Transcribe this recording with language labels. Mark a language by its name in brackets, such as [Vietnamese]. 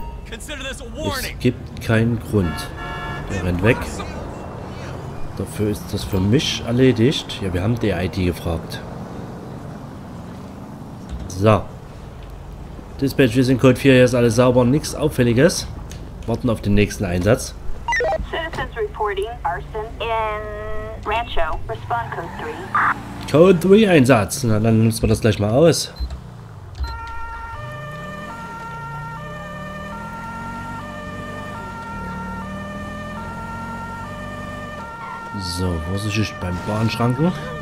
[German] Es gibt keinen Grund. Der rennt weg. Dafür ist das für mich erledigt. Ja, wir haben die ID gefragt. So. Dispatch, wir sind Code 4, hier ist alles sauber, nichts Auffälliges. Warten auf den nächsten Einsatz. [English] Citizens reporting arson in Rancho. Respond Code 3. [German] Code 3 Einsatz. Na, dann nutzen wir das gleich mal aus. So, Vorsicht beim Bahnschranken.